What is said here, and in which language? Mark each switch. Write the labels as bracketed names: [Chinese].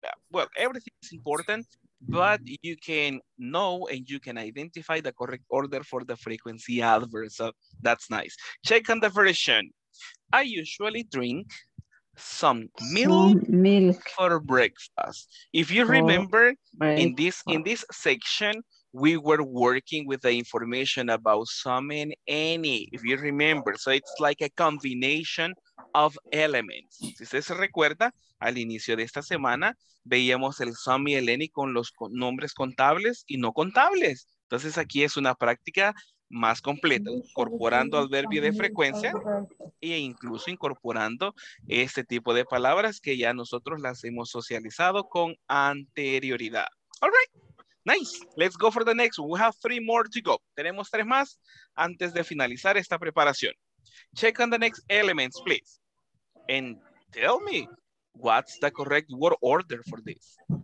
[English] Well, everything is important, but you can know and you can identify the correct order for the frequency adverb. So that's nice. Check on the version. I usually drink some milk, for breakfast. If you remember, in this section, we were working with the information about some and any, if you remember. So it's like a combination of elements. [Spanish] Si usted se recuerda, al inicio de esta semana, veíamos el some y el any con los nombres contables y no contables. Entonces aquí es una práctica más completa, incorporando adverbio de frecuencia e incluso incorporando este tipo de palabras que ya nosotros las hemos socializado con anterioridad. [English] All right. Nice. Let's go for the next one. We have three more to go. [Spanish] Tenemos tres más antes de finalizar esta preparación. [English] Check on the next elements, please. And tell me what's the correct word order for this.